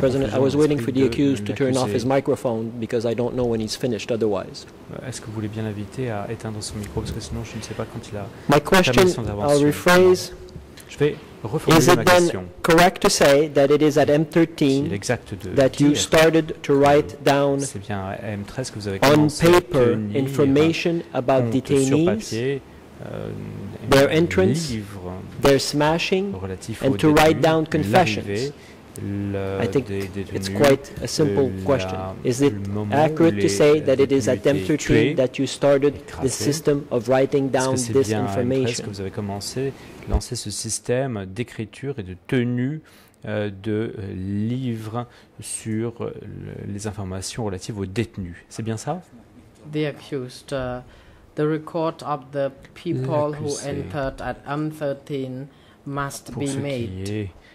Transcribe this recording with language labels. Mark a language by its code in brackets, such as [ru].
[en] President, I was waiting for the accused to turn off his microphone because I don't know when he's finished otherwise. [fr] Est-ce que vous voulez bien l'inviter à éteindre son micro, parce que sinon je ne sais pas quand il a. [en] My question, I'll rephrase. [fr] Je vais reformuler ma question. [en] Is it then correct to say that it is at M13 that you started to write down on paper information about detainees, their entrance, their smashing, and to write down confessions? I think it's quite a simple question. Is it accurate to say that it is at M13 that you started the system of writing down this information? [fr] Que vous avez commencé lancer ce système d'écriture et de tenue de livres sur les informations relatives aux détenus. C'est bien ça? [en] The accused, the record of the people who entered at M13 must be made.